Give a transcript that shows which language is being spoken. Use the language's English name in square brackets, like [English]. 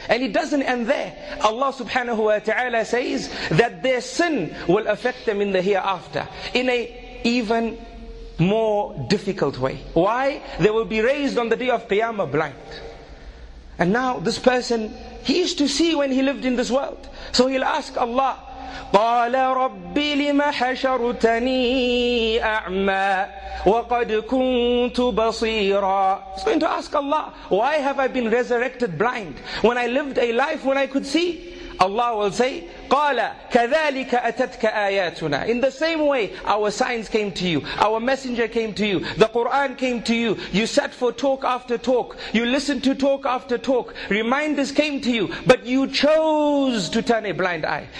[English] And it doesn't end there. Allah subhanahu wa ta'ala says that their sin will affect them in the hereafter in a even more difficult way. Why? They will be raised on the day of Qiyamah blind. And now this person, he used to see when he lived in this world. So he'll ask Allah, [Arabic] قَالَ رَبِّ لِمَ حَشَرْتَنِي أَعْمَى وَقَدْ كُنْتُ بَصِيرًا. [English] He's going to ask Allah, why have I been resurrected blind when I lived a life when I could see? Allah will say, [Arabic] قَالَ كَذَلِكَ أَتَتْكَ آيَاتُنَا. [English] In the same way, our signs came to you, our messenger came to you, the Quran came to you, you sat for talk after talk, you listened to talk after talk, reminders came to you, but you chose to turn a blind eye.